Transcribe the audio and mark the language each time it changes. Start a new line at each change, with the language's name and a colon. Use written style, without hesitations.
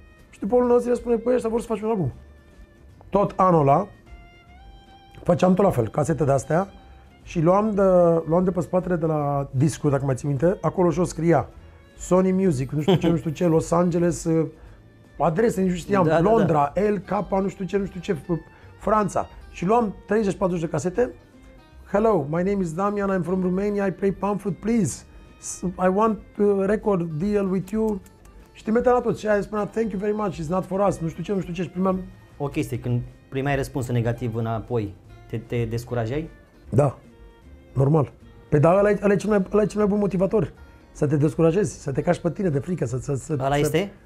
Romanian: Și după o lună zile spune, păi ăștia vor să faci un album. Tot anul ăla, făceam tot la fel, casete de astea. Și luam de pe spatele de la discul, dacă mai ții minte, acolo jos scria Sony Music, nu știu ce, Los Angeles, adrese, nici nu știam, da, Londra, da, da. LK, nu știu ce, Franța. Și luam 30-40 de casete.
English: Hello, my name is Damian, I'm from Romania, I play pamphlet, please. I want a record deal with you.
Romanian: Și te metea la toți și aia spunea,
English: thank you very much, it's not for us,
Romanian: nu știu ce. Și primeam... O chestie, când primeai răspunsul negativ înapoi, te descurajai? Da, normal. Păi da, ăla e cel mai bun motivator. Să te descurajezi, să te cași pe tine de frică. Ăla este?